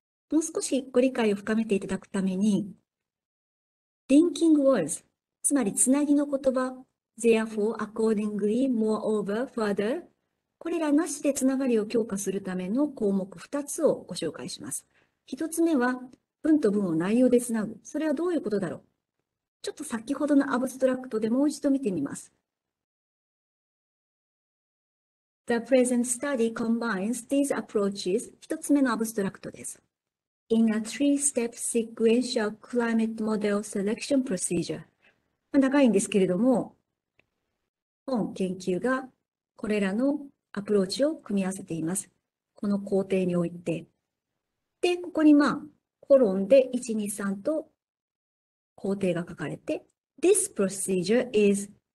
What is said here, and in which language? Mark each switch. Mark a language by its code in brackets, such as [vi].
[ja] もう少しご理解を深めていただくために、Linking words、つまりつなぎの言葉、Therefore, accordingly, moreover, further、これらなしでつながりを強化するための項目2つをご紹介します。 1つ目は、文と文を内容でつなぐ。それはどういうことだろう。ちょっと先ほどのアブストラクトでもう一度見てみます。 [en] The present study combines these approaches. [ja] 一つ目のアブストラクトです。 [en] In a three-step sequential climate model selection procedure. [ja] 長いんですけれども、本研究がこれらのアプローチを組み合わせています。この工程において。で、ここにまあ、コロンで1、2、3と工程が書かれて、 [en] This procedure is